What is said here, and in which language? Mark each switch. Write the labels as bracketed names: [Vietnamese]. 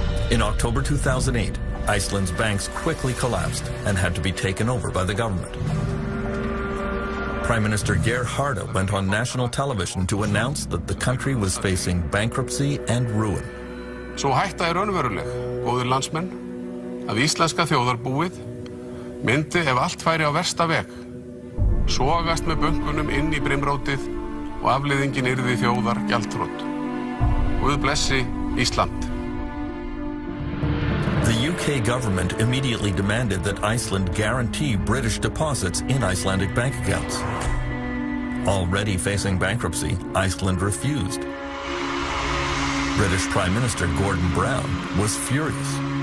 [English] In October 2008, Iceland's banks quickly collapsed and had to be taken over by the government. Prime Minister Geir Harde went on national television to announce that the country was facing bankruptcy and ruin. [Icelandic] So hætta er raunveruleg, góðir landsmenn. Að íslenska þjóðarbúið myndi ef allt færi á versta veg sogast með bönkunum inn í brimrótið og afleiðingin yrði þjóðar gjaldþrot. Guð blessi Ísland. [English] The UK government immediately demanded that Iceland guarantee British deposits in Icelandic bank accounts. Already facing bankruptcy, Iceland refused. British Prime Minister Gordon Brown was furious.